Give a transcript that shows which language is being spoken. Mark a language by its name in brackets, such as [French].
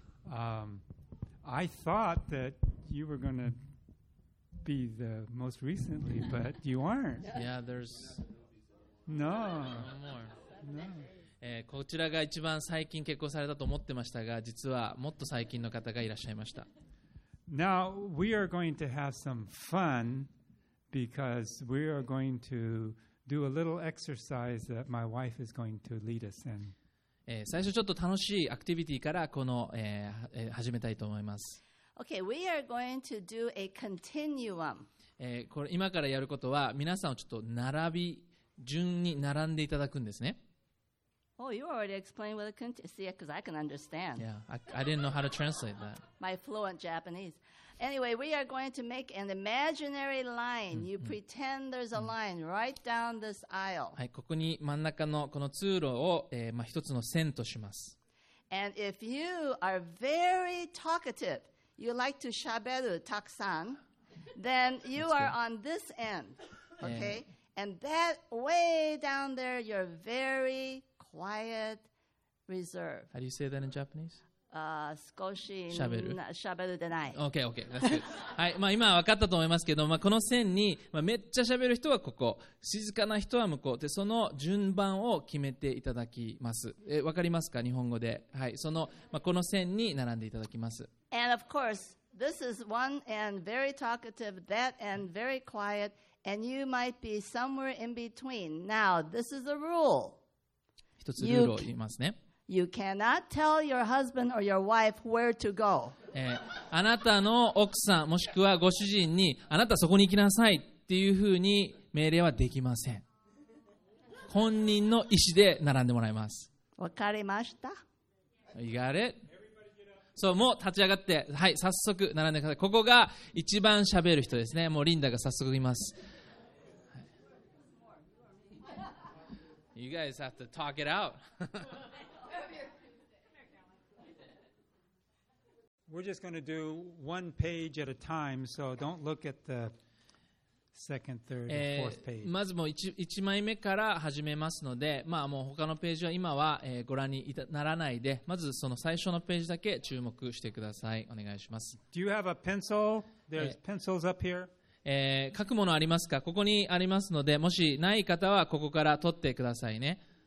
[English] I thought that you were going to be the most recently, but you aren't. Yeah, there's... No. No more. No. [Japanese] こちらが一番最近結婚されたと思ってましたが、実はもっと最近の方がいらっしゃいました。 [English] Now, we are going to have some fun because we are going to do a little exercise that my wife is going to lead us in. [Japanese] 最初ちょっと楽しいアクティビティからこの、始めたいと思います。 [English] Okay, we are going to do a continuum. [Japanese] これ今からやることは皆さんをちょっと並び順に並んでいただくんですね。 [English] Oh, you already explained what a continuous. See, because I can understand. Yeah, I didn't know how to translate that. My fluent Japanese. Anyway, we are going to make an imaginary line. You pretend there's a line right down this aisle. [Japanese] はい、ここに真ん中のこの通路を、まあ、一つの線とします。 [English] And if you are very talkative, you like to [Japanese] shaberu takusan, [English] then you are on this end, okay? And that way down there, you're very quiet, reserved. How do you say that in Japanese? [Japanese] 少し喋るでない。 [English] OK, OK, that's good. [Japanese] はい、まあ今は分かったと思いますけど、まあ、この線に、まあ、めっちゃ喋る人はここ、静かな人は向こうで、その順番を決めていただきます。分かりますか、日本語で。はい、その、まあ、この線に並んでいただきます。 [English] And of course, this is one end very talkative, that end very quiet, and you might be somewhere in between. Now, this is a rule. [Japanese] 一つルールを言いますね。 [English] You cannot tell your husband or your wife where to go. [Japanese] あなたの奥さんもしくはご主人にあなたそこに行きなさいっていうふうに命令はできません。本人の意思で並んでもらいます。わかりました。 [English] You got it? [Japanese] そう、もう立ち上がって、はい、早速並んでください。ここが一番喋る人ですね。もうリンダが早速います。 [English] You guys have to talk it out. We're just going to do one page at a time, so don't look at the second, third, fourth page. [Japanese] まずもう 1枚目から始めますので、まあ、もう他のページは今は、ご覧にならないで、まずその最初のページだけ注目してください。お願いします。 [English] Do you have a pencil? There's pencils up here. [Japanese] 書くものありますか？ここにありますので、もしない方はここから取ってくださいね。